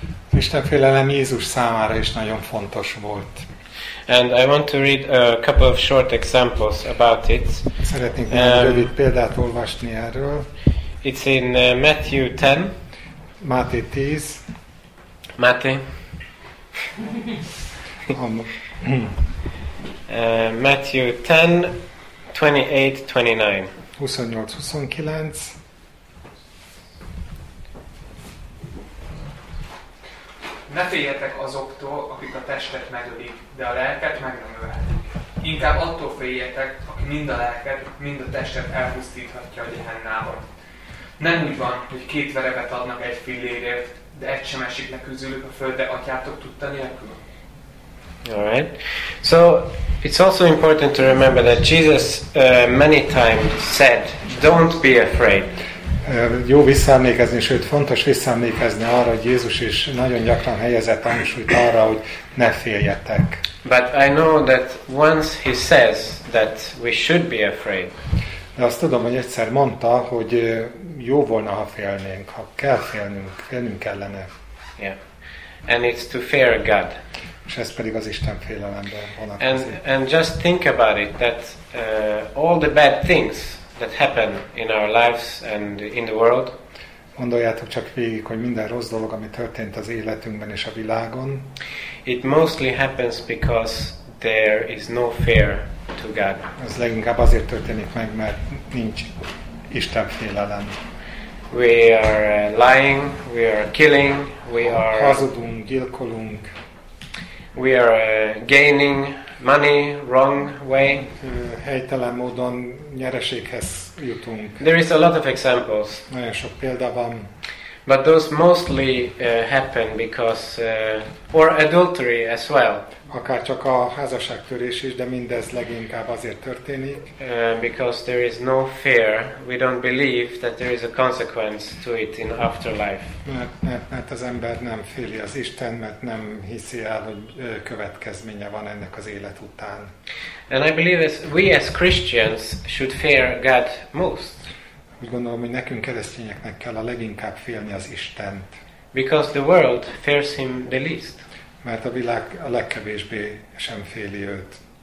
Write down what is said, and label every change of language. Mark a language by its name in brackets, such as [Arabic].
[Hungarian] Isten félelem Jézus számára is nagyon fontos volt. [English] And I want to read a couple of short examples about it. [Hungarian] Szeretnék egy rövid példát olvasni erről. [English] It's in Matthew 10. [Hungarian] Máté 10. Máté. [English] Matthew 10, 28-29. [Hungarian] 28-29. Ne féljetek azoktól, akik a testet megölik, de a lelket meg nem ölhetik. Inkább attól féljetek, aki mind a lelket, mind a testet elpusztíthatja a gyehennába. Nem úgy van, hogy két verebet adnak egy fillérért, de egy sem esik le közülük a földre atyátok tudta nélkül. [English] All right. So it's also important to remember that Jesus many times said, "Don't be afraid." [Hungarian] Jó visszaemlékezni, sőt fontos visszaemlékezni arra, hogy Jézus is nagyon gyakran helyezett hangsúlyt arra, hogy ne féljetek. [English] But I know that once he says that we should be afraid. [Hungarian] De azt tudom, hogy egyszer mondta, hogy jó volna, ha félnénk, ha kell félnünk, félnünk kellene. [English] Yeah. And it's to fear God. [Hungarian] És ez pedig az Isten félelemben vonatkozik. [English] And just think about it, that all the bad things that happen in our lives and in the world. [Hungarian] Gondoljátok csak végig, hogy minden rossz dolog, ami történt az életünkben és a világon. [English] It mostly happens because there is no fear to God. [Hungarian] Ez leginkább azért történik meg, mert nincs Isten félelem. [English] We are lying, we are killing, we are... [Hungarian] Hazudunk, gyilkolunk. [English] We are gaining money wrong way. [Hungarian] Helytelen módon nyereséghez jutunk. [English] There is a lot of examples. [Hungarian] Nagyon sok példa van. [English] But those mostly happen because or adultery as well. [Hungarian] Akár csak a házasságtörés is, de mindez leginkább azért történik. [English] Because there is no fear. We don't believe that there is a consequence to it in afterlife. [Hungarian] Mert az ember nem féli az Isten, mert nem hiszi el, hogy következménye van ennek az élet után. [English] And I believe that we as Christians should fear God most. [Hungarian] Úgy gondolom, hogy nekünk keresztényeknek kell a leginkább félni az Istent. [English] Because the world fears him the least. [Hungarian] Mert a világ a legkevésbé sem féli őt.